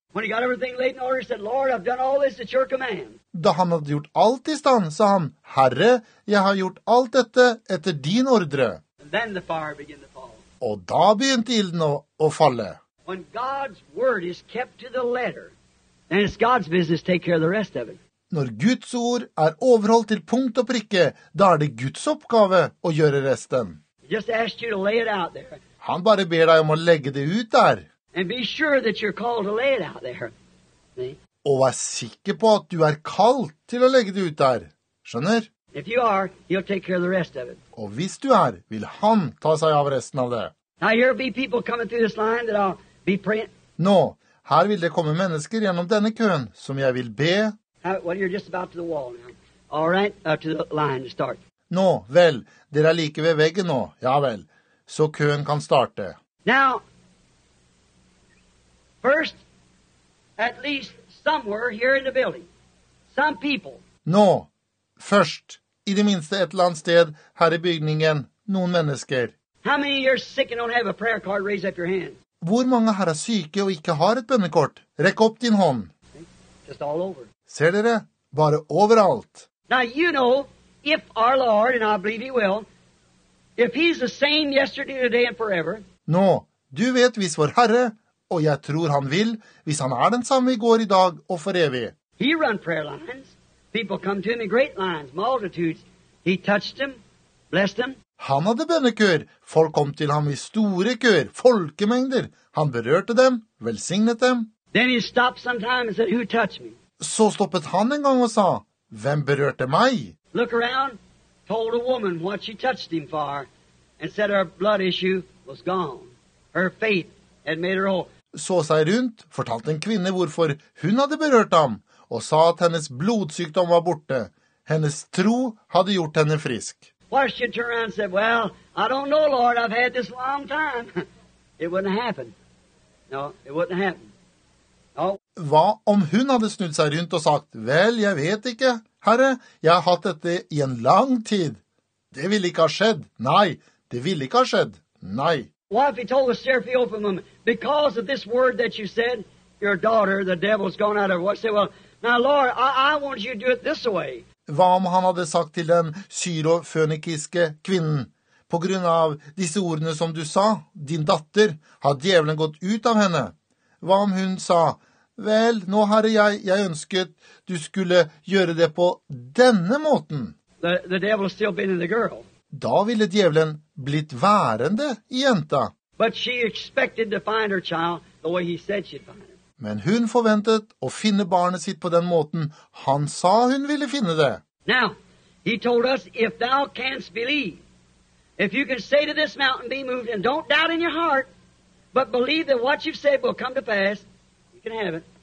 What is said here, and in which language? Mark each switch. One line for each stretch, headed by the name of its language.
English: When he got everything laid in order, he said, Lord, I've done all this at your command.
Norwegian: Da han hadde gjort alt i stand, sa han, Herre, jeg har gjort alt dette etter din ordre.
English: And then the fire began to fall.
Norwegian: Og da begynte ilden å falle.
English: When God's word is kept to the letter, then it's God's business to take care of the rest of it.
Norwegian: Når Guds ord er overholdt til punkt og prikke, da er det Guds oppgave å gjøre resten.
English: Just ask you to lay it out there.
Norwegian: Han bare ber deg om å legge det ut der.
English: And be sure that you're called to lay it out there. See?
Norwegian: Og vær sikker på at du er kalt til å legge det ut der. Skjønner?
English: If you are, he'll take care of the rest of it.
Norwegian: Og hvis du er, vil han ta seg av resten av det.
English: Now here'll be people coming through this line that I'll be praying.
Norwegian: Nå, her vil det komme mennesker gjennom denne køen som jeg vil be.
English: Well, you're just about to the wall now. All right, up to the line to start.
Norwegian: Nå, vel, dere like ved veggen nå. Ja vel, så køen kan starte.
English: Now, First, at least somewhere here in the building, some people. No, first,
Norwegian: I det minste et eller annet sted her i bygningen, noen mennesker.
English: How many of you are sick and don't have a prayer card? Raise up your hand.
Norwegian: Hvor mange her syke og ikke har et bønnekort? Rekk opp din hånd.
English: Just all over.
Norwegian: Ser dere? Bare overalt.
English: Now you know, if our Lord, and I believe he will, if he's the same yesterday, today and forever.
Norwegian: Nå, du vet hvis vår Herre, og jeg tror han vil, hvis han den samme i går, i dag og for evig.
English: He run prayer lines. People come to him in great lines, multitudes. He touched them, blessed them.
Norwegian: Han hadde bønnekør. Folk kom til ham i store kør, folkemengder. Han berørte dem, velsignet dem.
English: Then he stopped sometime and said, who touched me?
Norwegian: Så stoppet han en gang og sa, hvem berørte meg?
English: Look around, told a woman what she touched him for, and said her blood issue was gone. Her faith had made her whole.
Norwegian: Så seg rundt, fortalte en kvinne hvorfor hun hadde berørt ham, og sa at hennes blodsykdom var borte. Hennes tro hadde gjort henne frisk.
English: Why should she turn around and say, well, I don't know, Lord, I've had this long time. It wouldn't happen. No, it wouldn't happen.
Norwegian: Hva om hun hadde snudd seg rundt og sagt, vel, jeg vet ikke, Herre, jeg har hatt dette i en lang tid. Det ville ikke ha skjedd. Nei, det ville ikke ha skjedd. Nei. Hva
English: if he told the seraphim open them, because of this word that you said, your daughter, the devil's gone out of her. Say, well, now, Lord, I want you to do it this way.
Norwegian: Hva om han hadde sagt til den syrofønikiske kvinnen, på grunn av disse ordene som du sa, din datter, har djevelen gått ut av henne? Hva om hun sa, vel, nå herre jeg ønsket du skulle gjøre det på denne måten.
English: The devil still been in the girl.
Norwegian: Da ville djevelen blitt værende i jenta.
English: But she expected to find her child the way he said she'd find her.
Norwegian: Men hun forventet å finne barnet sitt på den måten han sa hun ville finne det.
English: Now, he told us, if thou canst believe, if you can say to this mountain, be moved, and don't doubt in your heart, but believe that what you've said will come to pass, you can have it.